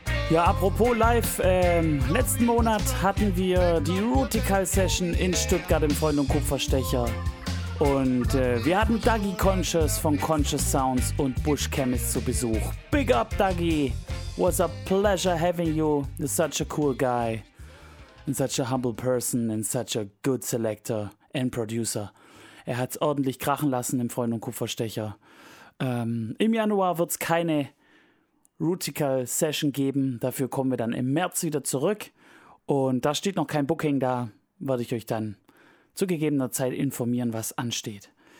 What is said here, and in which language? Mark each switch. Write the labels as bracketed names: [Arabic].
[German] Ja, apropos live, letzten Monat hatten wir die Rootikal Session in Stuttgart im Freund und Kupferstecher. Und wir hatten Dougie Conscious von Conscious Sounds und Bush Chemist zu Besuch. [English] Big up, Dougie! Was a pleasure having you. You're such a cool guy. And such a humble person and such a good selector and producer. [German] Er hat's ordentlich krachen lassen im Freund und Kupferstecher. Im Januar wird's keine Rootikal Session geben. Dafür kommen wir dann im März wieder zurück. Und da steht noch kein Booking da. Werde ich euch dann zu gegebener Zeit informieren, was ansteht.